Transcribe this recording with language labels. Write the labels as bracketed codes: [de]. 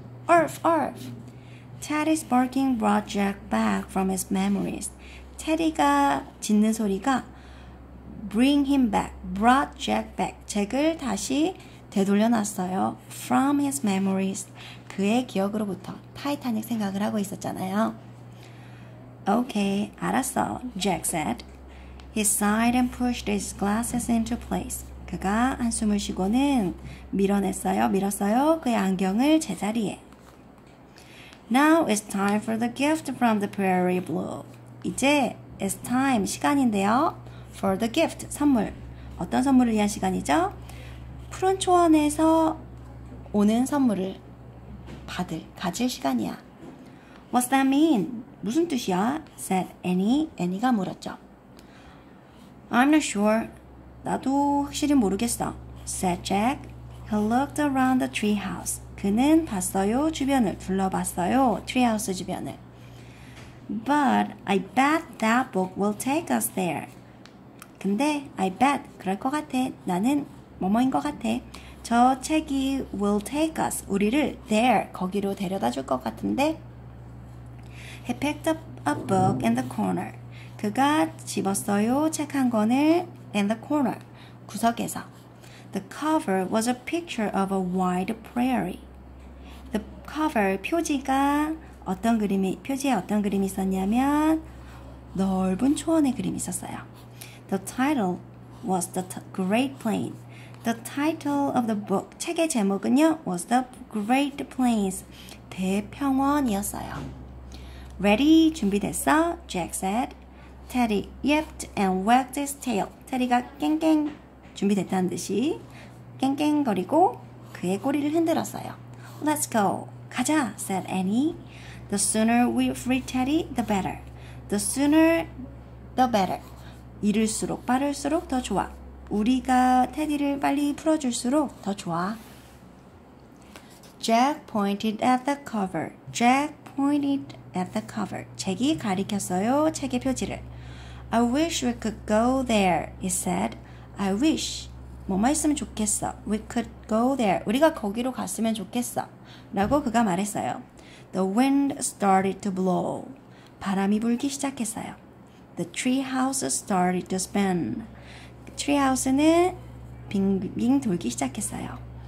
[en] Arf, arf! Teddy's barking brought Jack back from his memories. [ko] 테디가 짖는 소리가 [en] bring him back, brought Jack back. [ko] 잭을 다시 되돌려놨어요. [en] From his memories. [ko] 그의 기억으로부터 타이타닉 생각을 하고 있었잖아요. [en] Okay, [ko] 알았어, [en] Jack said. He sighed and pushed his glasses into place. [ko] 그가 한숨을 쉬고는 밀었어요. 그의 안경을 제자리에. [en] Now it's time for the gift from the prairie blue. [ko] 이제 [en] it's time, [ko] 시간인데요. [en] For the gift, 선물. [ko] 어떤 선물을 위한 시간이죠? 푸른 초원에서 오는 선물을 받을, 가질 시간이야. [en] What's that mean? [ko] 무슨 뜻이야? [en] said Annie. [ko] Annie가 물었죠. [en] I'm not sure. [ko] 나도 확실히 모르겠어. [en] said Jack. He looked around the treehouse. [ko] 그는 봤어요. 주변을 둘러봤어요. treehouse 주변을. [en] But I bet that book will take us there. [ko] 근데 [en] I bet [ko] 그럴 것 같아. 나는 뭐뭐인 것 같아. 저 책이 [en] will take us, [ko] 우리를 there, 거기로 데려다 줄 것 같은데. [en] He picked up a book in the corner. [ko] 그가 집었어요. 책 한 권을 [en] in the corner. [ko] 구석에서. [en] The cover was a picture of a wide prairie. The cover [ko] 표지가 어떤 그림이 표지에 어떤 그림이 있었냐면 넓은 초원의 그림이 있었어요. [en] The title was the Great Plain. The title of the book [ko] 책의 제목은요 [en] was the Great Plains [ko] 대평원이었어요. [en] Ready [ko] 준비됐어? [en] Jack said. Teddy yipped and wagged his tail. [ko] Teddy가 깽깽 준비됐다는 듯이 깽깽거리고 그의 꼬리를 흔들었어요. [en] Let's go. [ko] 가자, [en] said Annie. The sooner we free Teddy, the better. The sooner, the better. [ko] 이를수록 빠를수록 더 좋아. 우리가 테디를 빨리 풀어줄수록 더 좋아. [en] Jack pointed at the cover. Jack pointed at the cover. [ko] 잭이 가리켰어요, 책의 표지를. [en] I wish we could go there, he said. I wish. [ko] 뭐만 있으면 좋겠어. [en] We could go there. [ko] 우리가 거기로 갔으면 좋겠어. 라고 그가 말했어요. [en] The wind started to blow. [ko] 바람이 불기 시작했어요. [en] The treehouse started to spin. [ko] Treehouse는 빙빙 돌기 시작했어요.